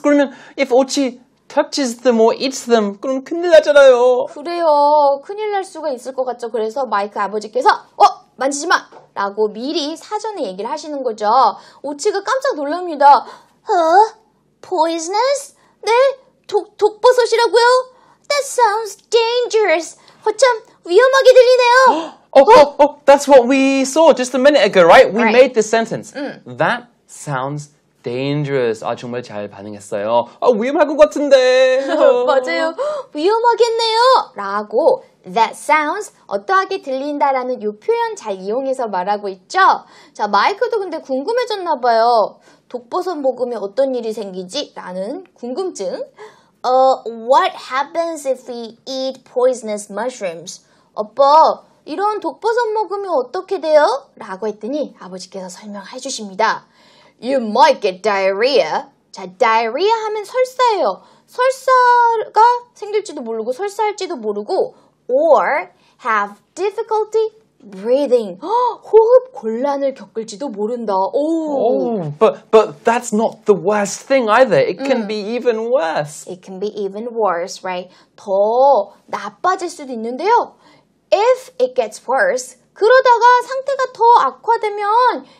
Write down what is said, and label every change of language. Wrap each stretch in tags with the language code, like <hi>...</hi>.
<ko>그러면</ko> <en>if Ochi touches them or eats them,</en> <ko>그럼 큰일 나잖아요. 그래요. 큰일 날 수가 있을 것 같죠. 그래서 마이크 아버지께서 만지지 마! 라고 미리 사전에 얘기를 하시는 거죠. 오치가 깜짝 놀랍니다. poisonous? 네? 독버섯이라고요?</ko> <en>That sounds dangerous.</en> <ko>허참, 위험하게 들리네요.</ko> <en>That's what we saw just a minute ago, right? We right. made the sentence. That sounds dangerous.</en> <ko>아, 정말 잘 반응했어요. 아, 위험할 것 같은데. 맞아요. 위험하겠네요. 라고 that sounds 어떠하게 들린다라는 이 표현 잘 이용해서 말하고 있죠. 자, 마이크도 근데 궁금해졌나 봐요. 독버섯 먹으면 어떤 일이 생기지? 라는 궁금증.</ko> <en>What happens if we eat poisonous mushrooms?</en> <ko>아빠, 이런 독버섯 먹으면 어떻게 돼요? 라고 했더니 아버지께서 설명해 주십니다.</ko> <en>You might get diarrhea.</en> <ko>자, diarrhea 하면 설사예요. 설사가 생길지도 모르고 설사할지도 모르고</ko> <en>or have difficulty breathing.</en> <ko>호흡 곤란을 겪을지도 모른다.</ko> <en>But that's not the worst thing either. It can be even worse. It can be even worse, right?</en> <ko>더 나빠질 수도 있는데요.</ko> <en>If it gets worse,</en> <ko>그러다가 상태가 더 악화되면</ko>